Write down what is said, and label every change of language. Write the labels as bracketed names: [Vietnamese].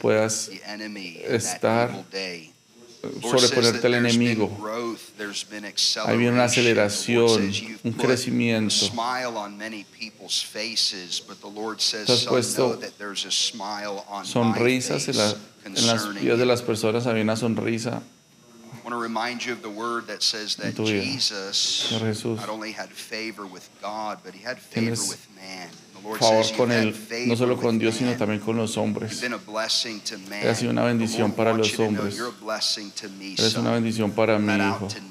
[Spanish] puedas estar sobreponerte al enemigo. Ahí viene una aceleración, un crecimiento. Has puesto sonrisas en las vidas de las personas. Había una sonrisa [English] I want to remind you of the word that says that Jesus not only had favor with God, but he had favor with man. [Spanish] Favor con él, no solo con Dios, sino también con los hombres. Ha sido una bendición para los hombres. Eres una bendición para mí, hijo.